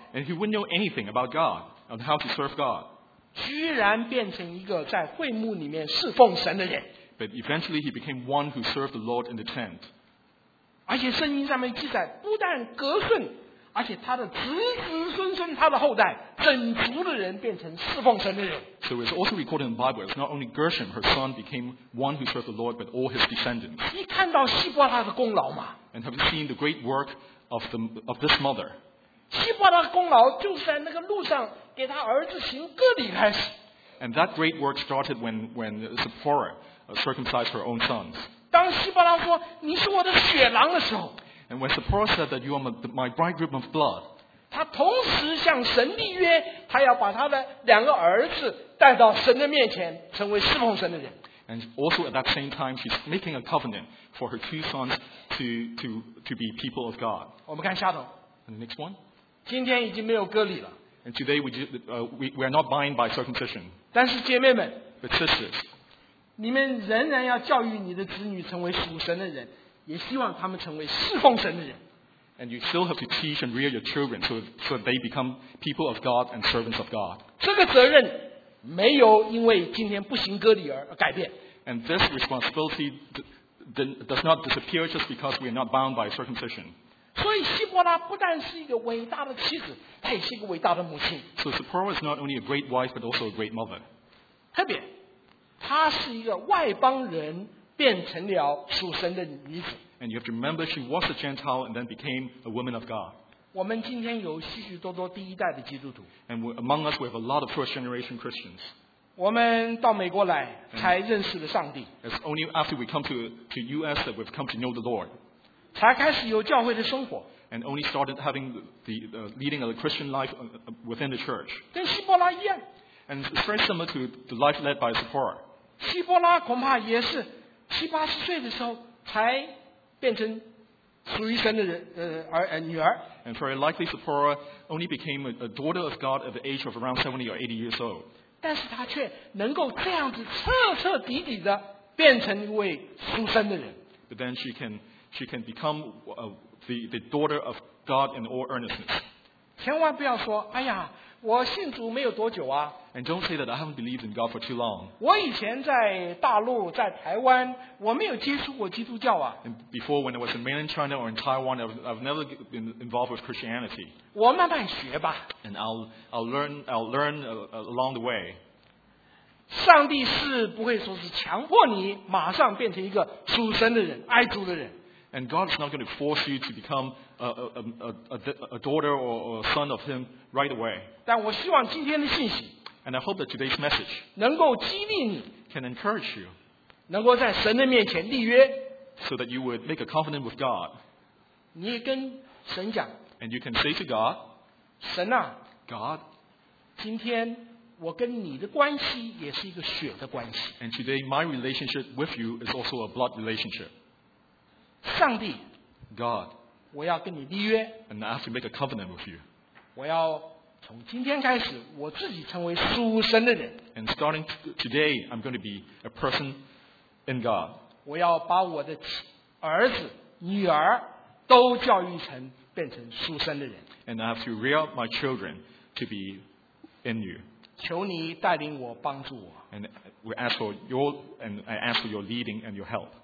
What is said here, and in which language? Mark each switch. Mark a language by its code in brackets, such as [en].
[en] And he wouldn't know anything about God and how to serve God. [zh] 居然变成一个在会幕里面侍奉神的人。 [en] But eventually he became one who served the Lord in the tent. [zh] 而且圣经上面记载，不但格顺，而且他的子子孙孙，他的后代，整族的人变成侍奉神的人。 [en] So it's also recorded in the Bible. It's not only Gershom, her son, became one who served the Lord, but all his descendants. [zh] 你看到希伯拉的功劳吗？ [en] And have you seen the great work of this mother? [zh] 希伯拉的功劳就是在那个路上给他儿子行割礼开始。 [en] And that great work started when Sephora circumcised her own sons. [zh] 当希伯拉说你是我的血狼的时候， [en] And when Sephora said that you are my bridegroom of blood, [zh] 他同时向神立约，他要把他的两个儿子带到神的面前，成为侍奉神的人。 [en] And also at that same time, she's making a covenant for her two sons to be people of God. [zh] 我们看下头。 [en] And the next one. [zh] 今天已经没有割礼了。 [en] And today we are not bound by circumcision. [zh] 但是姐妹们， [en] But sisters, [zh] 你们仍然要教育你的子女成为属神的人，也希望他们成为侍奉神的人。 [en] And you still have to teach and rear your children so that they become people of God and servants of God. [zh] 这个责任没有因为今天不行割礼而改变。 [en] And this responsibility does not disappear just because we are not bound by circumcision. [zh] 所以希伯拉不但是一个伟大的妻子，她也是一个伟大的母亲。 [en] So Sephora is not only a great wife, but also a great mother. [zh] 特别，她是一个外邦人变成了属神的女子。 [en] And you have to remember she was a Gentile and then became a woman of God. [zh] 我们今天有许许多多第一代的基督徒。 [en] And among us, we have a lot of first generation Christians. [zh] 我们到美国来才认识了上帝。 [en] It's only after we come to US that we've come to know the Lord. [zh] 才开始有教会的生活 [en] and only started having leading a Christian life within the church. [zh] 跟希伯拉一样 [en] and it's very similar to the life led by Sephora. [zh] 希伯拉恐怕也是七八十岁的时候才变成属于神的人女儿。 [en] And very likely Zipporah only became a daughter of God at the age of around 70 or 80 years old. [zh] 但是她却能够这样子彻彻底底的变成一位属神的人。 [en] But then she can become the daughter of God in all earnestness. [zh] 千万不要说，哎呀，我信主没有多久啊。 [en] And don't say that I haven't believed in God for too long. [zh] 我以前在大陆，在台湾，我没有接触过基督教啊。 [en] And before when I was in mainland China or in Taiwan, I've never been involved with Christianity. [zh] 我慢慢学吧。 [en] And I'll learn along the way. [zh] 上帝是不会说是强迫你马上变成一个属神的人，爱主的人。 [en] And God is not going to force you to become a daughter or a son of Him right away. [zh] 但我希望今天的信息 [en] And I hope that today's message [zh] 能够激励你 [en] can encourage you [zh] 能够在神的面前立约 [en] so that you would make a covenant with God. [zh] 你跟神讲 [en] And you can say to God, [zh] 神啊 [en] God, [zh] 今天我跟你的关系也是一个血的关系 [en] And today my relationship with you is also a blood relationship. [zh] 上帝 [en] God, [zh] 我要跟你立约 [en] and I have to make a covenant with you. [zh] 我要从今天开始我自己成为属神的人 [en] and starting today I'm going to be a person in God. [zh] 我要把我的儿子女儿都教育成变成属神的人 [en] and I have to rear up my children to be in you. [zh] 求你带领我帮助我 [en] and, we ask for your, and I ask for your leading and your help.